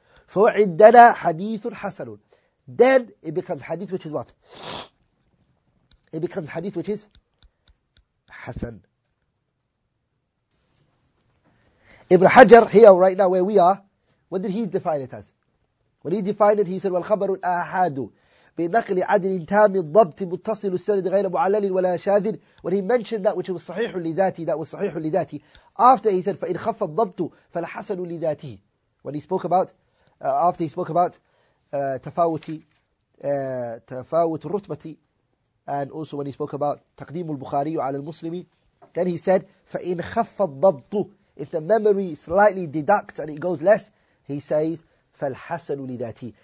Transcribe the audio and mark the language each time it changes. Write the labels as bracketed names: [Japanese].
[Arabic] فَوَعِدَّنَا حَدِيثٌ حَسَنٌ. [English] Then it becomes hadith which is what? It becomes hadith which is Hasan. Ibn Hajar, here right now where we are, what did he define it as? When he defined it, he said, [Arabic] وَالْخَبَرُ الْآحَادُ بِنَقْلِ عَدْلٍ تَامٍ ضَبْتٍ مُتَّصِلُ السَّنِدِ غَيْرَ مُعَلَّلٍ وَلَا شَاذٍ. [English] When he mentioned that which was [Arabic] صحيح لذاتي, [English] that was صحيح لذاتي, after he said, [Arabic] فَإِنْ خَفَّ الضَّبْتُ فَلَحَسَنُ لِذَاتِهِ. [English] When he spoke about after he spoke about tafawut rutbati, and also when he spoke about taqdim al-Bukhari ala al-Muslimi, then he said, [Arabic] فَإِنْ خَفَّ الضَّبْطُ, [English] if the memory slightly deducts and it goes less, he says, [Arabic] فَالْحَسَنُ لِذَاتِي.